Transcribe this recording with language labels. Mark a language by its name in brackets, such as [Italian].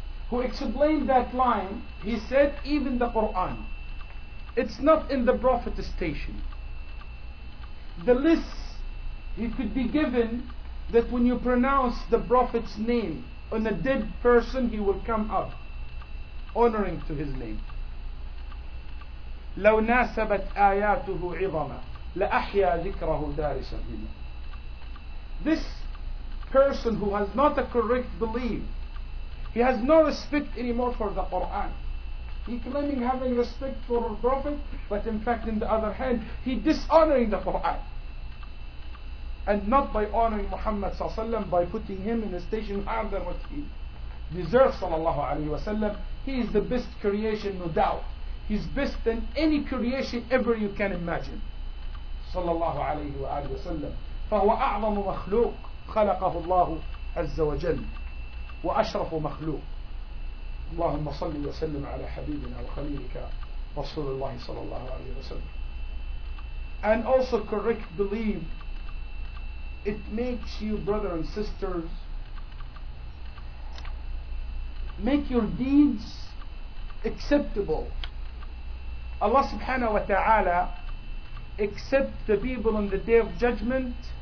[English] who explained that line, he said, even the Quran, it's not in the Prophet's station. The list he could be given, that when you pronounce the Prophet's name on a dead person, he will come up honoring to his name. [Arabic] لو ناسبت آياته عظما لأحيا ذكره دار سبيلا. [English] This person who has not a correct belief, he has no respect anymore for the Quran. He claiming having respect for the Prophet, but in fact in the other hand, he dishonoring the Quran. And not by honoring Muhammad ﷺ, by putting him in a station higher than what he deserves ﷺ. He is the best creation, no doubt. He's best than any creation ever you can imagine. Sallallahu alayhi wa alayhi wa sallam. [Arabic] فهو أعظم مخلوق خلقه الله عز وجل وأشرف مخلوق. اللهم صل وسلم على حبيبنا وخليلك رسول الله صلى الله عليه وسلم. [English] And also correct belief, it makes you brother and sisters, make your deeds acceptable. Allah subhanahu wa ta'ala accept the people on the day of judgment.